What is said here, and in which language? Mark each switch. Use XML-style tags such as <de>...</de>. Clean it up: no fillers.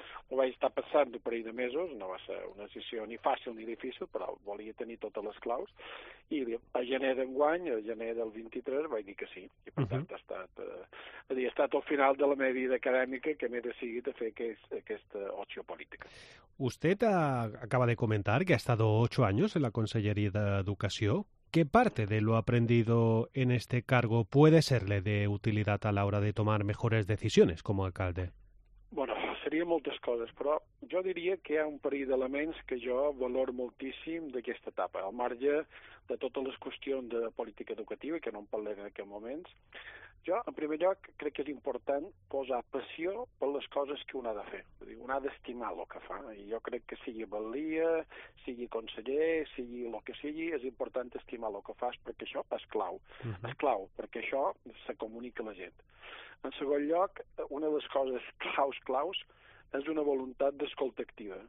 <ca>Ho vaig estar passant un parell de mesos, no va ser una decisió ni fàcil ni difícil, però volia tenir totes les claus. I a gener d'enguany, a gener del 23, vaig dir que sí. I per tant, ha estat el final de la meva vida acadèmica que m'he decidit a fer aquesta opció política.</ca> <es>Usted acaba de comentar que ha estado 8 años en la Conselleria d'Educació. ¿Qué parte de lo aprendido en este cargo puede serle de utilidad a la hora de tomar mejores decisiones como alcalde? Bueno, serían muchas cosas, pero yo diría que hay un par de elementos que yo valoro muchísimo de esta etapa, al margen de todas las cuestiones de política educativa que no hablé en aquel momento.</es> <ca>Jo, en primer lloc, crec que és important posar passió per les coses que un ha de fer. És a dir, un ha d'estimar el que fa. I jo crec que sigui valia, sigui conseller, sigui el que sigui, és important estimar el que fas perquè això és clau. És clau perquè això se comunica a la gent. En segon lloc, una de les coses claus és una voluntat d'escolta activa.</ca>